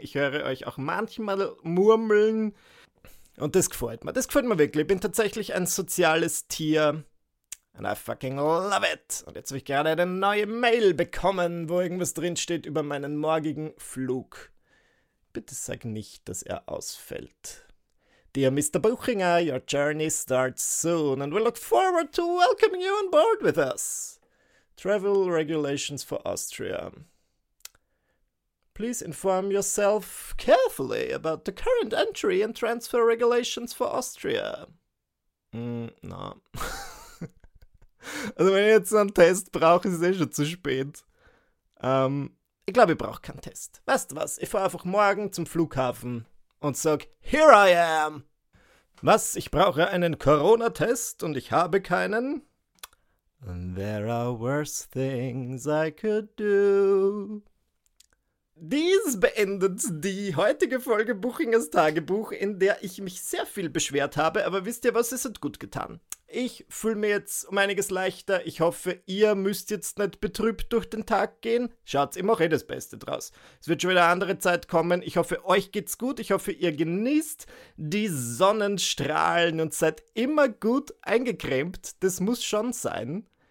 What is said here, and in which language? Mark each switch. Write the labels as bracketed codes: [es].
[de] Ich höre euch auch manchmal murmeln. Und das gefällt mir. Das gefällt mir wirklich. Ich bin tatsächlich ein soziales Tier. And I fucking love it. Und jetzt habe ich gerade eine neue Mail bekommen, wo irgendwas drinsteht über meinen morgigen Flug. Bitte sag nicht, dass er ausfällt. [en] Dear Mr. Buchinger, your journey starts soon and we look forward to welcoming you on board with us. Travel regulations for Austria. Please inform yourself carefully about the current entry and transfer regulations for Austria. No. [de] Also wenn ich jetzt einen Test brauche, ist es eh schon zu spät. Ich glaube, ich brauche keinen Test. Weißt du was? Ich fahre einfach morgen zum Flughafen und sag, here I am. Was? Ich brauche einen Corona-Test und ich habe keinen? [en] There are worse things I could do. [de] Dies beendet die heutige Folge Buchingers Tagebuch, in der ich mich sehr viel beschwert habe, aber wisst ihr was, es hat gut getan. Ich fühle mir jetzt um einiges leichter, ich hoffe, ihr müsst jetzt nicht betrübt durch den Tag gehen. Schaut, ich mache eh das Beste draus. Es wird schon wieder eine andere Zeit kommen, ich hoffe, euch geht's gut, ich hoffe, ihr genießt die Sonnenstrahlen und seid immer gut eingecremt, das muss schon sein.